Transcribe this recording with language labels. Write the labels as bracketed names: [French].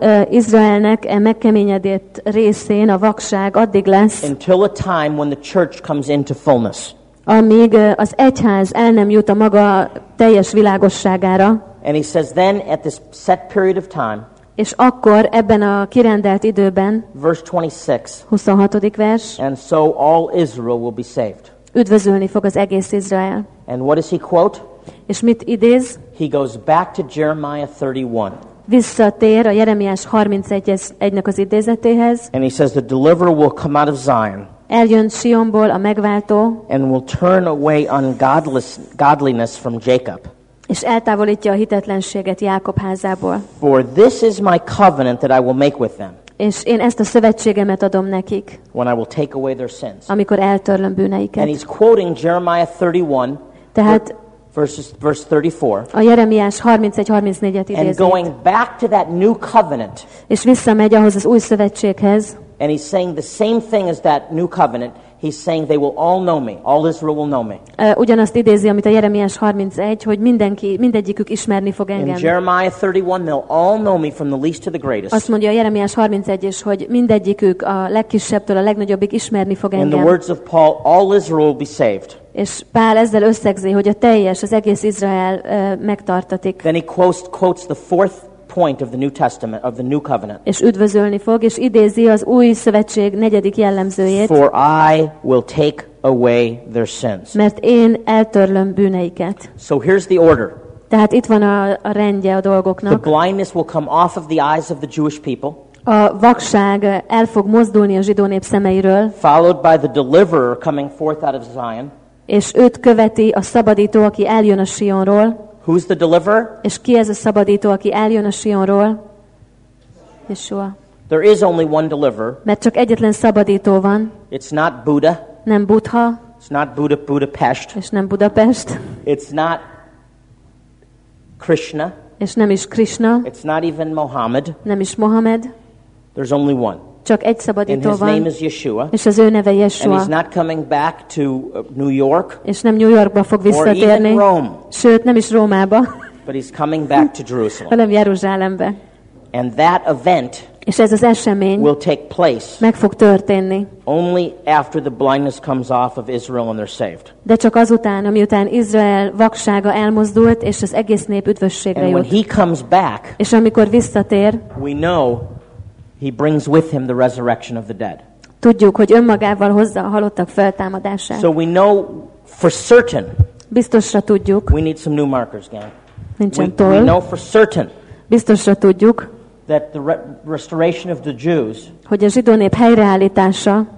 [Hungarian] Izraelnek e megkeményedett részén a vakság addig lesz, [English] until a time when the church comes into fullness. [Hungarian] Amíg az egyház el nem jut a maga teljes világosságára. [English] And he says then at this set period of time. [Hungarian] És akkor ebben a kirendelt időben. [English] Verse 26. [Hungarian] 26. vers. [English] And so all Israel will be saved. [Hungarian] Üdvözölni fog az egész Izrael. [English] And what does he quote? [Hungarian] És mit idéz? [English] He goes back to Jeremiah 31. [Hungarian] Visszatér a Jeremiás 31-nek az idézetéhez. [English] And he says the deliverer will come out of Zion. [Hungarian] Eljön Sionból a megváltó. [English] And will turn away godliness from Jacob. [Hungarian] És eltávolítja a hitetlenséget Jákob házából. [English] For this is my covenant that I will make with them. [Hungarian] És én ezt a szövetségemet adom nekik. [English] When I will take away their sins. [Hungarian] Amikor eltörlöm bűneiket. [English] And he's quoting Jeremiah 31. [Hungarian] Tehát [English] verse 34. [Hungarian] A Jeremiás 31-34-et idézi. [English] And going back to that new covenant. [Hungarian] És visszamegy ahhoz az új szövetséghez. [English] And he's saying the same thing as that new covenant. He's saying they will all know me. All Israel will know me. [Hungarian] Ugyanazt idézi, amit a Jeremiás 31, hogy mindegyikük ismerni fog engem. [English] In Jeremiah 31, they'll all know me from the least to the greatest. [Hungarian] Azt mondja a Jeremiás 31 is, hogy mindegyikük a legkisebbtől a legnagyobbig ismerni fog engem. [English] In the words of Paul, all Israel will be saved. [Hungarian] És Pál ezzel összegzi, hogy a teljes, az egész Izrael megtartatik. [English] Then he quotes the fourth point of the New Testament, of the New Covenant. [Hungarian] És üdvözölni fog, és idézi az új szövetség negyedik jellemzőjét. [English] For I will take away their sins. [Hungarian] Mert én eltörlöm bűneiket. [English] So here's the order. [Hungarian] Tehát itt van a rendje a dolgoknak. [English] The blindness will come off of the eyes of the Jewish people. [Hungarian] A vakság el fog mozdulni a zsidó nép szemeiről. [English] Followed by the deliverer coming forth out of Zion. [Hungarian] És őt követi a szabadító, aki eljön a Sionról. [English] Who's the deliverer? [Hungarian] És ki ez a szabadító, aki eljön a Sionról? [English] Yeshua. There is only one deliverer. [Hungarian] Mert csak egyetlen szabadító van. [English] It's not Buddha. [Hungarian] Nem Buddha. [English] It's not Buddha, Budapest. [Hungarian] És nem Budapest. [English] It's not Krishna. [Hungarian] És nem is Krishna. [English] It's not even Mohammed. [Hungarian] Nem is Mohammed. [English] There's only one. [Hungarian] Csak egy szabadító van. [English] And his name is Yeshua. [Hungarian] És az ő neve Yeshua. [English] And he's not coming back to New York. [Hungarian] És nem New Yorkba fog visszatérni. [English] Or even Rome. [Hungarian] Sőt, nem is Rómába. [English] But he's coming back to Jerusalem. [Hungarian] Hanem Jeruzsálembe. [English] And that event. [Hungarian] És ez az esemény. [English] Will take place. [Hungarian] Meg fog történni. [English] Only after the blindness comes off of Israel and they're saved. [Hungarian] De csak azután, amiután Izrael vaksága elmozdult és az egész nép üdvösségre jut. [English] And when he comes back. [Hungarian] És amikor visszatér. [English] We know. He brings with him the resurrection of the dead. [Hungarian] Tudjuk, hogy önmagával hozza a halottak feltámadását. [English] So we know for certain. [Hungarian] Biztosra tudjuk. [English] We need some new markers, gang. [Hungarian] Nincsen toll. [English] We know for certain. [Hungarian] Biztosra tudjuk. [English] That the restoration of the Jews, [Hungarian] hogy a zsidó nép helyreállítása,